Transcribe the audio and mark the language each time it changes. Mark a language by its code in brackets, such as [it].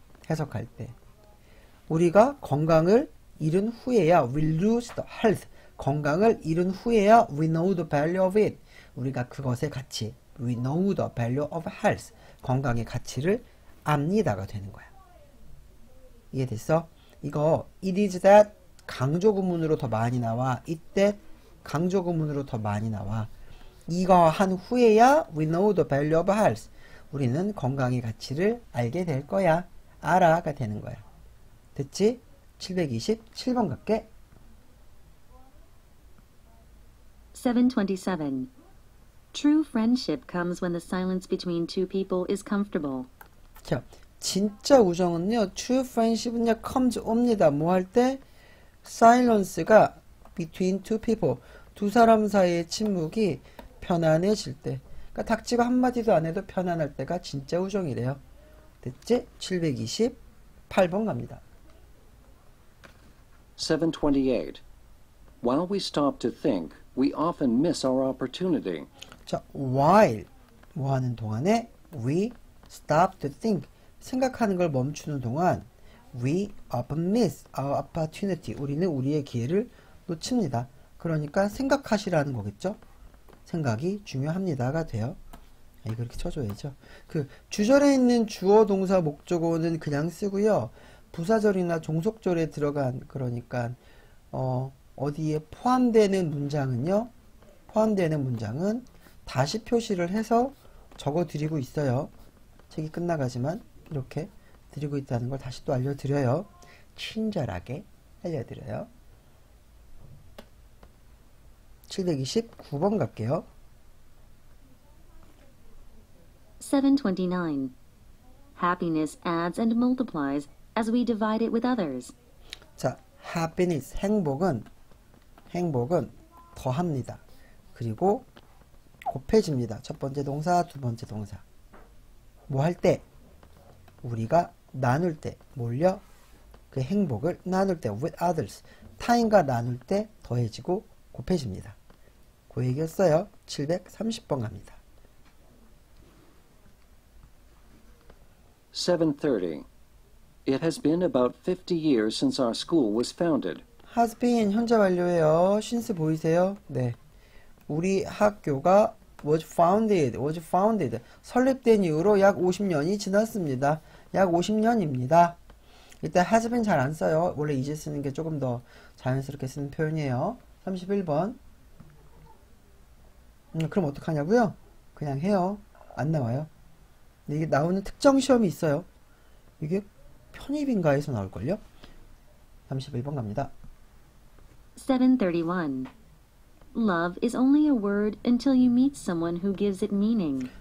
[ko] 해석할 때 우리가 건강을 잃은 후에야 [en] we lose the health. [ko] 건강을 잃은 후에야 [en] we know the value of it. [ko] 우리가 그것의 가치 [en] we know the value of health. [ko] 건강의 가치를 압니다가 되는 거야. 이해됐어? 이거 [en] it is that [ko] 강조 구문으로 더 많이 나와. it that 강조 구문으로 더 많이 나와. 이거 한 후에야 [en] we know the value of health. [ko] 우리는 건강의 가치를 알게 될 거야. 알아가 되는 거야. 됐지? 727번 갈게. 727. [en] True friendship comes when the silence between two people is comfortable. [ko] 자. 진짜 우정은요, [en] true friendship [ko] 은요, comes 옵니다. 뭐할 때? silence가 [en] between two people. [ko] 두 사람 사이의 침묵이 편안해질 때. 닥치고 한마디도 안 해도 편안할 때가 진짜 우정이래요. 됐지? 728번 갑니다. 728. [en] While we stop to think, we often miss our opportunity. 자, while [ko] 뭐 하는 동안에 [en] we stop to think [ko] 생각하는 걸 멈추는 동안 [en] we often miss our opportunity. [ko] 우리는 우리의 기회를 놓칩니다. 그러니까 생각하시라는 거겠죠? 생각이 중요합니다가 돼요. 이렇게 쳐줘야죠. 그 주절에 있는 주어 동사 목적어는 그냥 쓰고요. 부사절이나 종속절에 들어간 그러니까 어디에 포함되는 문장은요. 포함되는 문장은 다시 표시를 해서 적어드리고 있어요. 책이 끝나가지만 이렇게 드리고 있다는 걸 다시 또 알려드려요. 친절하게 알려드려요. 729번 갈게요. 729. [en] Happiness adds and multiplies as we divide it with others. [ko] 자, happiness 행복은 더합니다. 그리고 곱해집니다. 첫 번째 동사, 두 번째 동사. 뭐 할 때? 우리가 나눌 때, 몰려 그 행복을 나눌 때 [en] with others. [ko] 타인과 나눌 때 더해지고 곱해집니다. 그 얘기였어요. 730번 갑니다. 730. [en] It has been about 50 years since our school was founded. [ko] Has been 현재 완료예요. Since 보이세요? 네. 우리 학교가 [en] was founded. [ko] 설립된 이후로 약 50년이 지났습니다. 약 50년입니다. 이때 has been 잘 안 써요. 원래 이제 쓰는 게 조금 더 자연스럽게 쓰는 표현이에요. 31번. 그럼 어떡하냐고요? 그냥 해요. 안 나와요. 이게 나오는 특정 시험이 있어요. 이게 편입인가에서 나올걸요? 31번 갑니다. 731. [en] Love is only a word until you meet someone who gives it meaning.